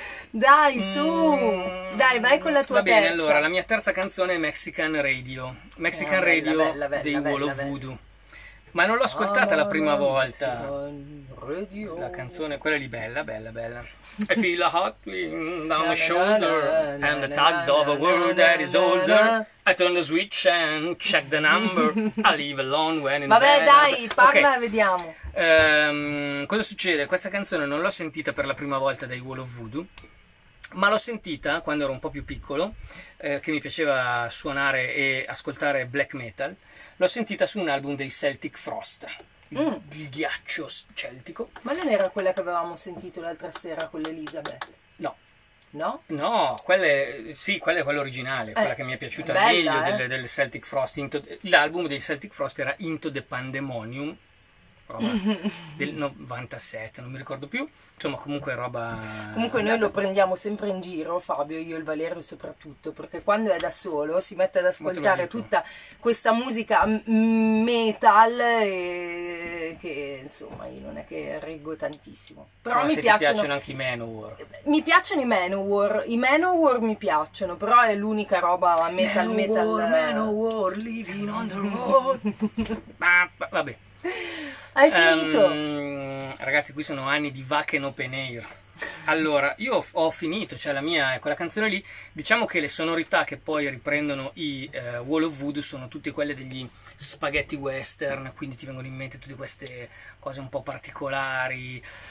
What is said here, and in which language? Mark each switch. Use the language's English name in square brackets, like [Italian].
[Italian] Dai, su, dai, vai con la tua terza. Va bene, terza. Allora, la mia terza canzone è Mexican Radio. Mexican Radio bella, dei bella, Wall bella, of Voodoo. Ma non l'ho ascoltata la prima volta. Mexican Radio. La canzone, quella lì, bella, bella, bella. [English] I feel a hot wind down my shoulder and the tug of a world that is older. I turn the switch and check the number. I live alone when in bed. [Italian] Vabbè, dai, parla e vediamo. Cosa succede? Questa canzone non l'ho sentita per la prima volta dai Wall of Voodoo, ma l'ho sentita quando ero un po' più piccolo, che mi piaceva suonare e ascoltare black metal. L'ho sentita su un album dei Celtic Frost, il ghiaccio celtico. Ma non era quella che avevamo sentito l'altra sera con l'Elizabeth? No. No? No, quella è, sì, quella è quella originale, quella che mi è piaciuta, è bella, meglio del Celtic Frost. L'album dei Celtic Frost era Into the Pandemonium, roba del 97, non mi ricordo più, insomma, comunque roba. Comunque noi lo prendiamo sempre in giro, Fabio, io e il Valerio soprattutto, perché quando è da solo si mette ad ascoltare tutta questa musica metal e che insomma io non è che reggo tantissimo. Però se mi piacciono anche i Manowar. Mi piacciono i Manowar mi piacciono, però è l'unica roba metal. Manowar living on the road. Vabbè. Hai finito? Ragazzi, qui sono anni di vacche in open air. Allora, io ho finito, cioè la mia, quella canzone lì, diciamo che le sonorità che poi riprendono i Wall of Voodoo sono tutte quelle degli spaghetti western, quindi ti vengono in mente tutte queste cose un po' particolari.